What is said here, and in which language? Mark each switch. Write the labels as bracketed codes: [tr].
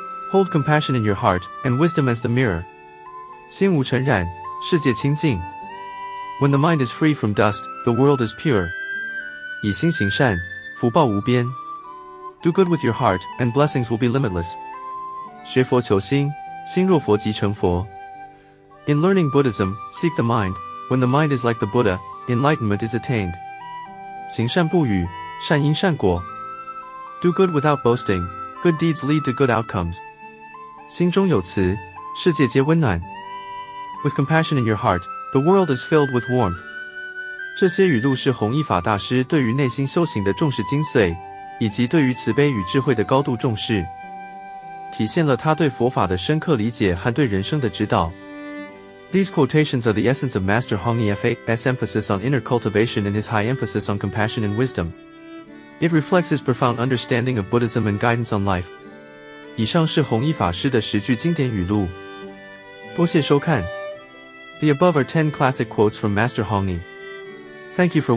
[en] Hold compassion in your heart and wisdom as the mirror. [zh] 心无尘染，世界清净。 [en] When the mind is free from dust, the world is pure. [zh] 以心行善，福报无边。 [en] Do good with your heart, and blessings will be limitless. [zh] 学佛求心，心若佛即成佛。 [en] In learning Buddhism, seek the mind. When the mind is like the Buddha, enlightenment is attained. [zh] 行善不语，善因善果。 [en] Do good without boasting. Good deeds lead to good outcomes. [zh] 心中有慈，世界皆温暖。 [en] With compassion in your heart, the world is filled with warmth. [zh] 这些语录是弘一法大师对于内心修行的重视精髓，以及对于慈悲与智慧的高度重视，体现了他对佛法的深刻理解和对人生的指导。 [en] These quotations are the essence of Master Hong Yi's emphasis on inner cultivation and his high emphasis on compassion and wisdom. It reflects his profound understanding of Buddhism and guidance on life. [zh] 以上是弘一法师的十句经典语录，多谢收看。 [en] The above are 10 classic quotes from Master Hong Yi. Thank you for watching.